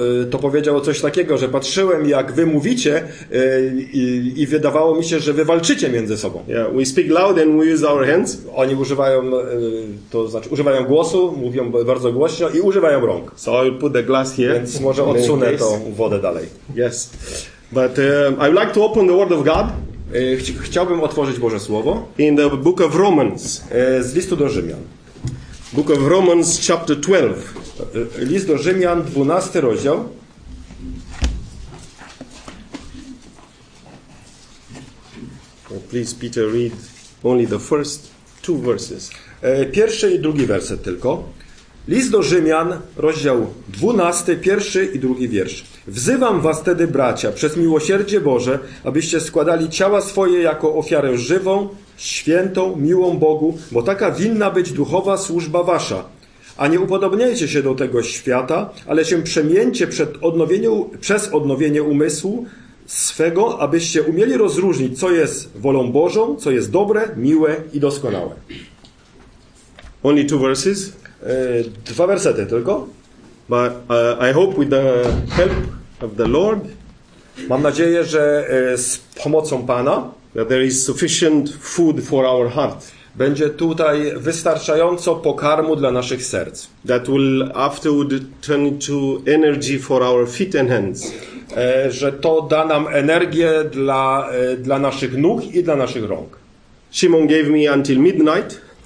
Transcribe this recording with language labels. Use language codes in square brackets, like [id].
[pl] to powiedział coś takiego, że patrzyłem, jak wy mówicie, i wydawało mi się, że wy walczycie między sobą. [en] Yeah, we speak loud and we use our hands. [pl] Oni używają, to znaczy używają głosu, mówią bardzo głośno i używają rąk. [en] So I'll put the glass here. [pl] Więc może odsunę tą wodę dalej. [en] Yes. But I would like to open the Word of God. [pl] Chciałbym otworzyć Boże Słowo. [en] In the Book of Romans. [pl] Z listu do Rzymian. [en] Book of Romans, chapter 12. [pl] List do Rzymian, 12 rozdział. [en] Please, Peter, read only the first two verses. [pl] Pierwszy i drugi werset tylko. List do Rzymian, rozdział 12, pierwszy i drugi wiersz. Wzywam was tedy, bracia, przez miłosierdzie Boże, abyście składali ciała swoje jako ofiarę żywą, świętą, miłą Bogu, bo taka winna być duchowa służba wasza. A nie upodobniajcie się do tego świata, ale się przemieńcie przez odnowienie umysłu swego, abyście umieli rozróżnić, co jest wolą Bożą, co jest dobre, miłe i doskonałe. [en] Only two verses? [pl] Dwa wersety tylko. [en] But I hope with the help of the Lord. [pl] Mam nadzieję, że z pomocą Pana. [en] That there is sufficient food for our heart. [pl] Będzie tutaj wystarczająco pokarmu dla naszych serc. [en] That will afterward turn to energy for our feet and hands. [pl] Że to da nam energię dla naszych nóg i dla naszych rąk. [en] Szymon gave me until midnight.